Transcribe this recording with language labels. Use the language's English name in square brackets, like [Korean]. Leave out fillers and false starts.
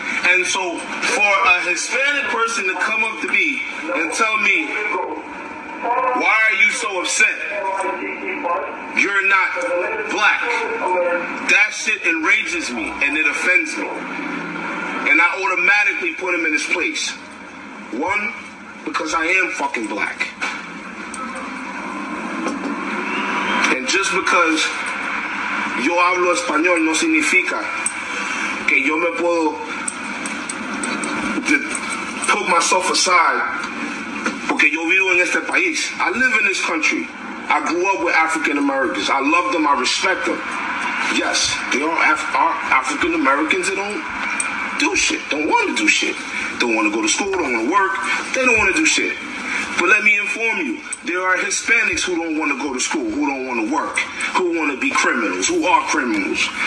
[English] And so for a Hispanic person to come up to me and tell me, why are you so upset? You're not black. That shit enrages me and it offends me. And I automatically put him in his place. One, because I am fucking black. And just because [Spanish] yo hablo español no significa que yo me puedo [English] put myself aside [Spanish] porque yo vivo en este país. [English] I live in this country. I grew up with African Americans. I love them. I respect them. Yes, they are African Americans. They don't do shit. Don't want to do shit. Don't want to go to school. Don't want to work. They don't want to do shit. But let me inform you, there are Hispanics who don't want to go to school, who don't want to work, who want to be criminals, who are criminals.